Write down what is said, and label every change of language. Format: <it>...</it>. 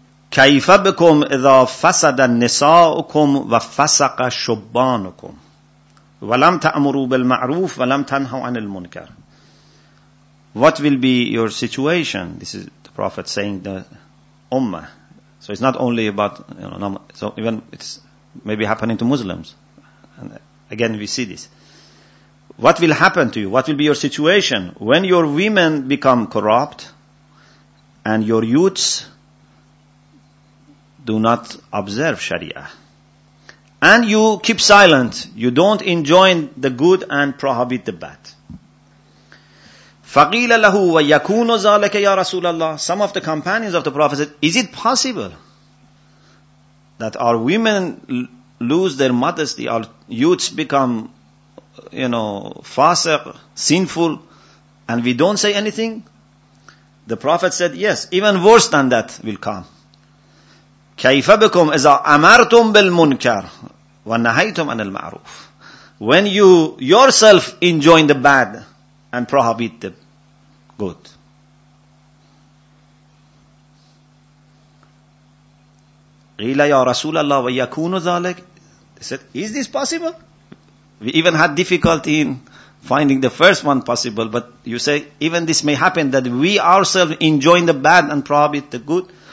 <ar>كيف بكم إذا فسد النساءكم وفسق شبانكم ولم تأمروا بالمعروف ولم تنهوا عن المنكر.</ar> <en>What will be your situation? This is the Prophet saying the Ummah. So it's not only about, it's maybe happening to Muslims. And again, we see this. What will happen to you? What will be your situation when your women become corrupt and your youths do not observe Sharia, and you keep silent, you don't enjoin the good and prohibit the bad?</en> <ar>فَقِيلَ لَهُ وَيَكُونُ ذَلَكَ يَا رَسُولَ اللَّهِ.</ar> <en>Some of the companions of the Prophet said, is it possible that our women lose their modesty, our youths become, fasiq, sinful, and we don't say anything? The Prophet said, yes, even worse than that will come.</en> <ar>كيف بكم إذا أمرتم بالمنكر ونهيتم عن المعروف.</ar> <en>When you yourself enjoin the bad and prohibit the good.</en> <ar>Qila ya Rasulullah wa yakunu dhalik.</ar> <en>He said, is this possible? We even had difficulty in finding the first one possible, but you say, even this may happen, that we ourselves enjoin the bad and prohibit the good.</en>